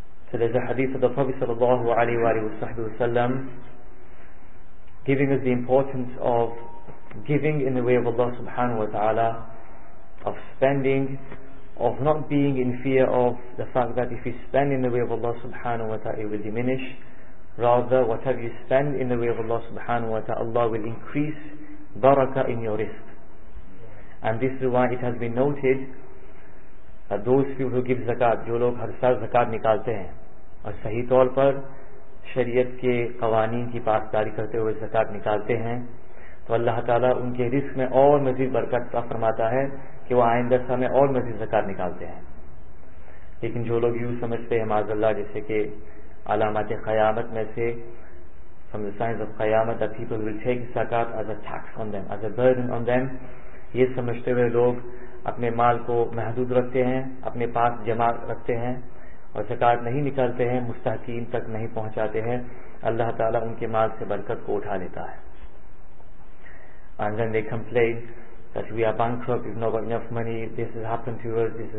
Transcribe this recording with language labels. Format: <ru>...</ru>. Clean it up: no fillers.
<en>So there's a hadith of the Prophet sallallahu alayhi wa alayhi wa sahbihi wa sallam giving us the importance of giving in the way of Allah subhanahu wa ta'ala, of spending, of not being in fear of the fact that if you spend in the way of Allah subhanahu wa ta'ala it will diminish, rather whatever you spend in the way of Allah subhanahu wa ta'ala, Allah will increase barakah in your risk. And this is why it has been noted that those people who give zakat,</en> <ur>جو لوگ ہر سال زکات نکالتے ہیں اور صحیح طور پر شریعت کے قوانین کی پاسداری کرتے ہوئے زکات نکالتے ہیں, تو اللہ تعالیٰ ان کے رزق میں اور مزید برکت عطا فرماتا ہے کہ وہ آئندہ سال میں اور مزید زکات نکالتے ہیں. لیکن جو لوگ یوں سمجھتے ہیں, معاذ اللہ, جیسے کہ علامات قیامت میں سے</ur> <en>from the signs of</en> <ur>قیامت</ur> <en>that people will take zakat as a tax on them,</en> <ur>as a burden on them, یہ سمجھتے ہوئے لوگ اپنے مال کو محدود رکھتے ہیں, اپنے پاس جمع رکھتے ہیں اور زکات نہیں نکالتے ہیں, مستحقین تک نہیں پہنچاتے ہیں, اللہ تعالیٰ ان کے مال سے برکت کو اٹھا لیتا ہے.</ur> <en>And then they complain that we are bankrupt, we've not got enough money, this has happened to us.</en>